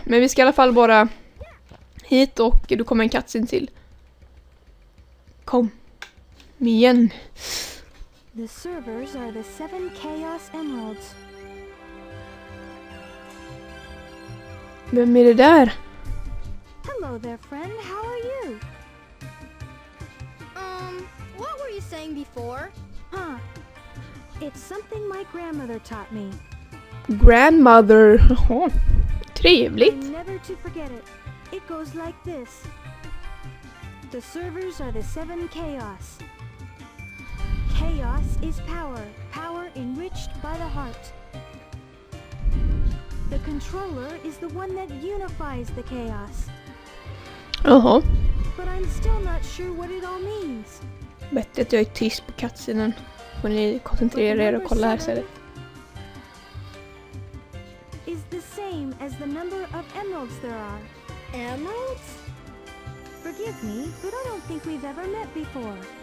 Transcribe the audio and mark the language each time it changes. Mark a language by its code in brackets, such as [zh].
[sv] Men vi ska i alla fall bara hit och då kommer en cutscene till. Kom igen. [en] The servers are the seven chaos emeralds. [sv] Vem är det där? [en] Hello there, friend. How are you? What were you saying before? Huh. It's something my grandmother taught me. Grandmother. [sv] Trevligt. [en] Never to forget it. It goes like this. The servers are the seven chaos. Chaos is power. Power enriched by the heart. The controller is the one that unifies the chaos. Uh-huh. But I'm still not sure what it all means. [sv] Bättre att jag är tyst på cutscenen. Får ni koncentrera er och kolla här så är det. [en] Is the same as the number of emeralds there are. Emeralds? Forgive me, but I don't think we've ever met before.